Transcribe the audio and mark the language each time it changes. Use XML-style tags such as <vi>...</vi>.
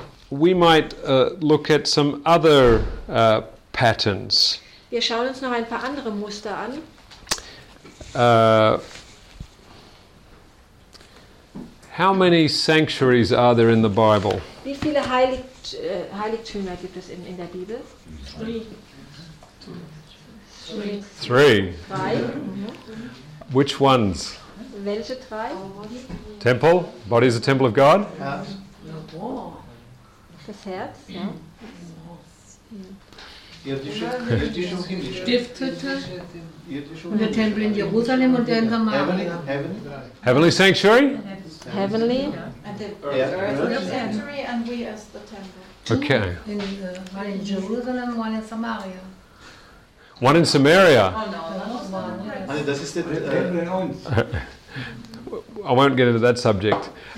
<en>We might look at some other patterns.</en> <de>Wir schauen uns noch ein paar andere Muster an.</de> <en>How many sanctuaries are there in the Bible?</en> <de>Wie viele Heiligtümer gibt es in der Bibel?</de> <en>Three. Which ones?</en> <de>Welche drei?</de> <en>Temple. Body is the temple of God.</en> <de>Das Herz. Ja. Stiftete und der Tempel in Jerusalem und der in Samaria.</de> <en>Heavenly sanctuary? Heavenly. And the earth sanctuary and we as the temple. Okay. One in Jerusalem, one in Samaria. One in Samaria? Oh no, that's one. Yes. I won't get into that subject.</en>